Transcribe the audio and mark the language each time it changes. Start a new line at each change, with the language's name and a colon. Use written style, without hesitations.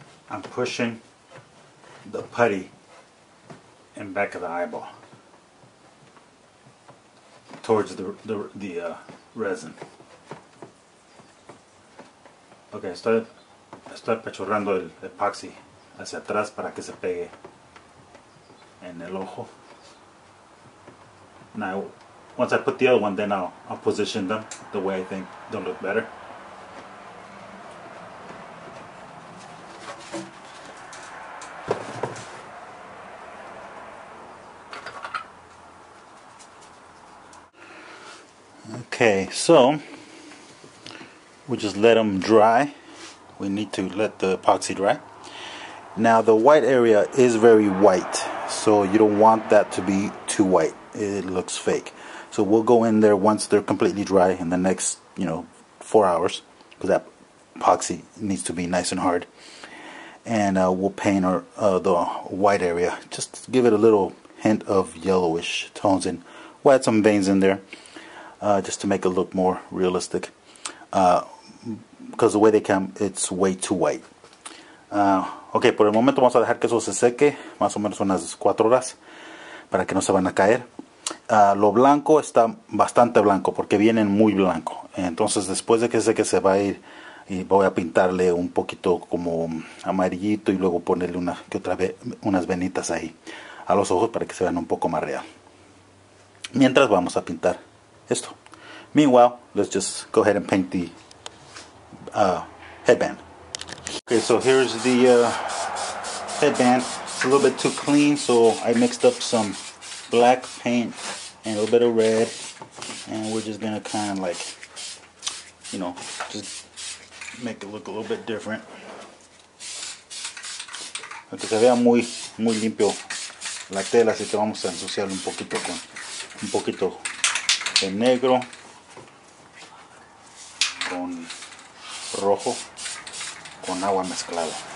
English: I'm pushing the putty in back of the eyeball towards the resin.
Spanish: Okay, estoy pechorrando el epoxy hacia atrás para que se pegue en el ojo.
English: Now, once I put the other one, then I'll position them the way I think they'll look better. Okay, so we just let them dry. We need to let the epoxy dry. Now the white area is very white, so you don't want that to be too white. It looks fake. So we'll go in there once they're completely dry in the next, 4 hours, because that epoxy needs to be nice and hard. And we'll paint the white area. Just give it a little hint of yellowish tones, and we'll add some veins in there. Just to make it look more realistic, because the way they come, it's way too white.
Spanish: Okay, por el momento vamos a dejar que eso se seque, más o menos unas 4 horas, para que no se van a caer. Lo blanco está bastante blanco, porque vienen muy blanco. Entonces, después de que seque, se va a ir, y voy a pintarle un poquito como amarillito, y luego ponerle una que otra vez unas venitas ahí, a los ojos, para que se vean un poco más real. Mientras, vamos a pintar esto.
English: Meanwhile, let's just go ahead and paint the headband. Okay, so here's the headband. It's a little bit too clean, so I mixed up some black paint and a little bit of red, and we're just gonna kind of like, just make it look a little bit different.
Spanish: Porque se vea muy, muy limpio la tela, así que vamos a ensuciarlo un poquito con un poquito de negro con rojo con agua mezclada.